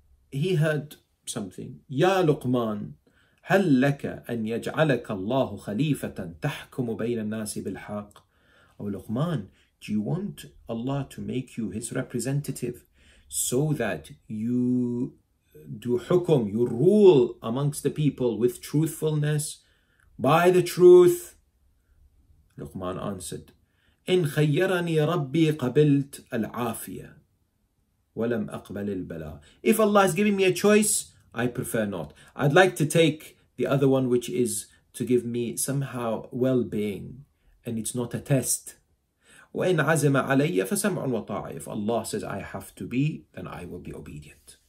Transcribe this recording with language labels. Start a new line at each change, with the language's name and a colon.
English: He heard something. Ya Luqman,
Arabic: هل لك أن يجعلك الله خليفة تحكم بين الناس بالحق؟
English: Oh Luqman, do you want Allah to make you his representative so that you do hukum, you rule amongst the people with truthfulness, by the truth? Luqman answered,
Arabic: إن خيرني ربي قبلت العافية ولم أقبل البلاء.
English: If Allah has given me a choice, I prefer not. I'd like to take the other one, which is to give me somehow well-being, and it's not a test.
Arabic: وَإِنْ عَزَمَ عَلَيَّ فَسَمْعٌ وَطَاعٌ.
English: If Allah says I have to be, then I will be obedient.